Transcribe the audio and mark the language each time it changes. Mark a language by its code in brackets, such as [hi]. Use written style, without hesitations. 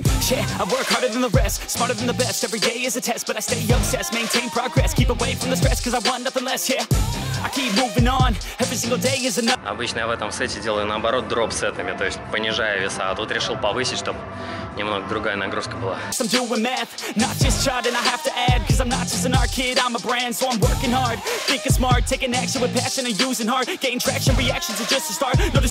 [en] Yeah, I work harder than the rest, smarter than the best. Every day is a test, but I stay obsessed. Maintain progress, keep away from the stress, cause I want nothing less, yeah. I keep moving on, every single day is enough. [ru] Обычно я в этом сете делаю наоборот дроп-сетами, то есть понижая веса, а тут решил повысить, чтобы немного другая нагрузка была. [en] I'm doing math, not just charting, I have to add. Cause I'm not just an art kid, I'm a brand. So I'm working hard, thinking smart, taking action with passion and using heart. Gain traction, reactions are just a start.